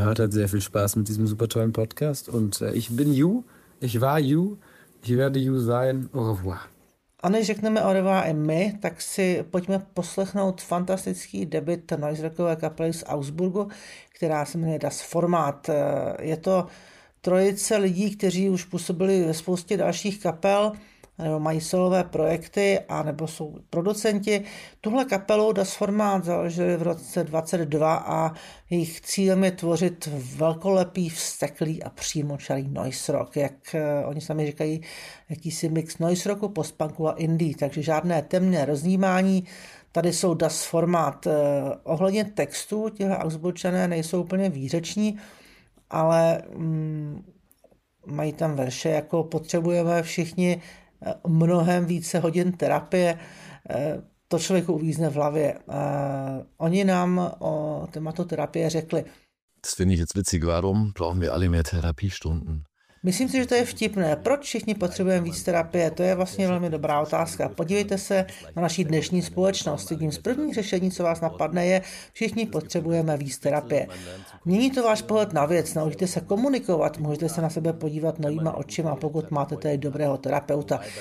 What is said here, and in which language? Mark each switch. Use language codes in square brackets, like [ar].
[de] Sehr viel Spaß mit diesem super tollen Podcast und ich bin you, ich war you, ich werde you sein. [fr] Au revoir. [cs] A než řekneme [fr] au revoir [cs] i my, tak si pojďme poslechnout fantastický debut noise rockové kapely z Augsburgu, která se jmenuje Das Format. Je to trojice lidí, kteří už působili ve spoustě dalších kapel, nebo mají solové projekty, a nebo jsou producenti. Tuhle kapelu Das Format založili v roce 22 a jejich cílem je tvořit velkolepý, vzteklý a přímočarý noise rock. Jak oni sami říkají, jakýsi mix noise rocku, postpunku a indie. Takže žádné temné rozjímání. Tady jsou Das Format. Ohledně textu, těhle Augsburčané nejsou úplně výřeční, ale mají tam verše, jako potřebujeme všichni mnohem více hodin terapie, to člověku uvízne v hlavě. Oni nám o tématu terapie řekli. [de] Das finde ich jetzt witzig, warum brauchen wir alle mehr Therapiestunden? [cs] Myslím si, že to je vtipné. Proč všichni potřebujeme víc terapie? To je vlastně velmi dobrá otázka. Podívejte se na naší dnešní společnost. Jedním z prvních řešení, co vás napadne, je, všichni potřebujeme víc terapie. Mění to váš pohled na věc, naučíte se komunikovat, můžete se na sebe podívat novýma očima, pokud máte tady dobrého terapeuta.